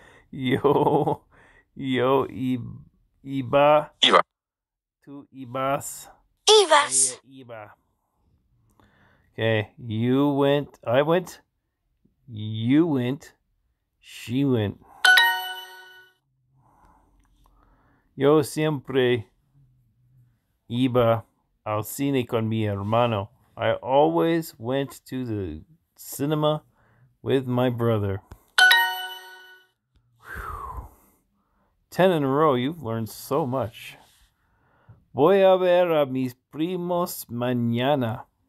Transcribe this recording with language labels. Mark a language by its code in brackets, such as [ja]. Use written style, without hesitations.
[es] Yo, iba. Iba. Tú ibas. Ella Ibas. iba. [en] Okay, you went, I went, you went, she went. [es] Yo siempre iba al cine con mi hermano. [en] I always went to the cinema with my brother. Ten in a row, you've learned so much. [es] Voy a ver a mis primos mañana.